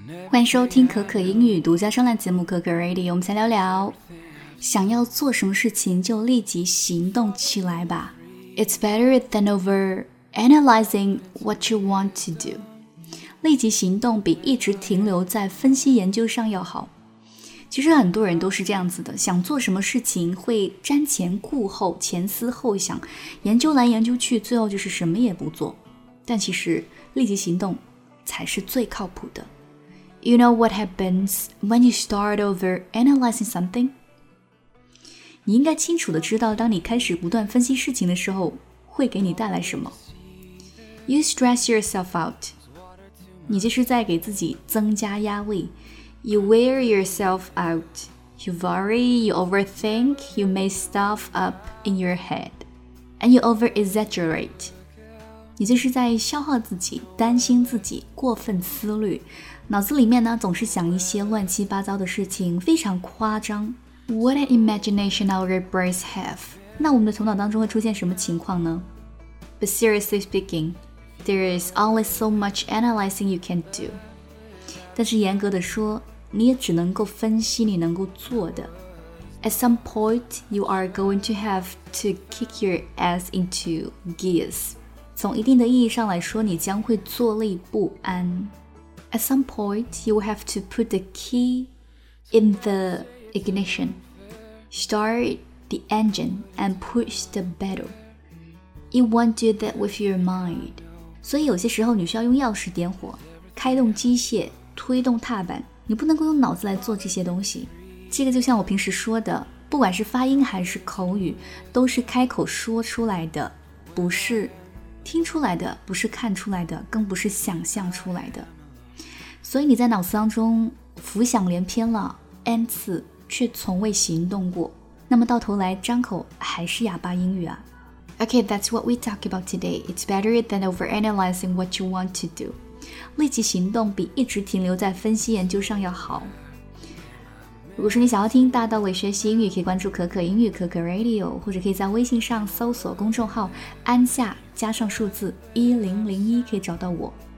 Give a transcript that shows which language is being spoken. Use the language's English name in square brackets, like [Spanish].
[Chinese] 欢迎收听可可英语独家专栏节目可可 Radio， 我们先聊聊想要做什么事情就立即行动起来吧。 [English] It's better than over analyzing what you want to do. [Chinese] 立即行动比一直停留在分析研究上要好。其实很多人都是这样子的，想做什么事情会瞻前顾后，前思后想，研究来研究去，最后就是什么也不做。但其实立即行动才是最靠谱的。 [English] You know what happens when you start over analyzing something? [Chinese] 你应该清楚地知道当你开始不断分析事情的时候会给你带来什么。 [English] You stress yourself out. [Chinese] 你这是在给自己增加压力。 [English] You wear yourself out. You worry, you overthink, you make stuff up in your head. And you over-exaggerate. [Chinese] 你这是在消耗自己，担心自己，过分思虑。脑子里面呢总是想一些乱七八糟的事情，非常夸张。 [English] What an imagination our brains have. [Chinese] 那我们的头脑当中会出现什么情况呢？ [English] But seriously speaking, there is only so much analyzing you can do. [Chinese] 但是严格的说，你也只能够分析你能够做的。 [English] At some point, you are going to have to kick your ass into gears. [Chinese] 从一定的意义上来说，你将会坐立不安。 [English] At some point, you will have to put the key in the ignition, start the engine, and push the pedal. You won't do that with your mind. [Chinese] 所以有些时候你需要用钥匙点火，开动机械，推动踏板，你不能够用脑子来做这些东西。这个就像我平时说的，不管是发音还是口语，都是开口说出来的，不是听出来的，不是看出来的，更不是想象出来的。所以你在脑子当中浮想联翩了 N 次，却从未行动过，那么到头来张口还是哑巴英语啊。 [English] Okay, that's what we talk about today. It's better than overanalyzing what you want to do. [Chinese] 立即行动比一直停留在分析研究上要好。如果说你想要听大道理学习英语，可以关注可可英语可可 Radio， 或者可以在微信上搜索公众号安夏加上数字1001，可以找到我。